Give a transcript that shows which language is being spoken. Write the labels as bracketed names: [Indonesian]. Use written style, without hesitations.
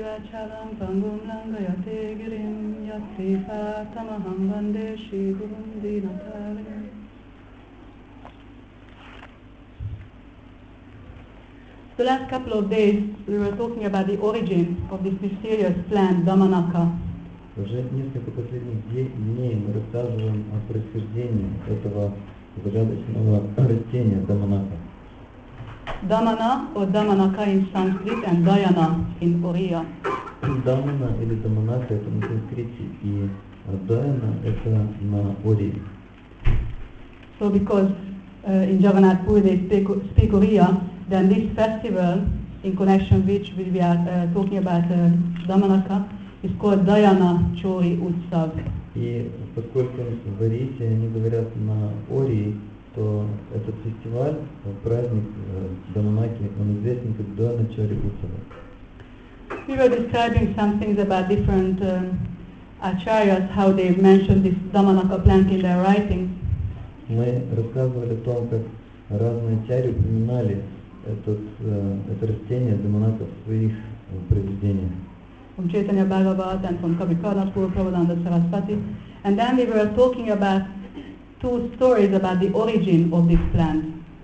[Sanskrit] Chalam Pangum Langa Yate Girim Yati Patamaham Bande Shi Gurum Dinatari [English] The last couple of days we were talking about the origin of this mysterious plant, Dhammanaka. [Russian] Уже несколько последних дней мы рассказываем о происхождении этого загадочного растения Dhammanaka. [English] Dhammana or Dhammanaka in Sanskrit and Dhyana in Oriya. [Russian] Дамана или Дамонаха это на санскрите и Дайана это на Ори. [English] So because in Jagannath Puri they speak Oriya, then this festival in connection which we are talking about Dhammanaka is called Dhyana Chori Utsav. [Russian] И поскольку в Орисе они говорят на Ори, то этот фестиваль, праздник Дамонаки, он известен как Дайана Чори Утсав. [English] We were describing some things about different acharyas, how they mentioned this Dhammanaka plant in their writings. [Russian] Мы рассказывали о том, как разные ачарьи упоминали это растение Dhammanaka в своих произведениях. [English] From Chaitanya Bhagavat and from Kavikarnapur, Prabhupada Sarasvati. And then we were talking about two stories about the origin of this plant.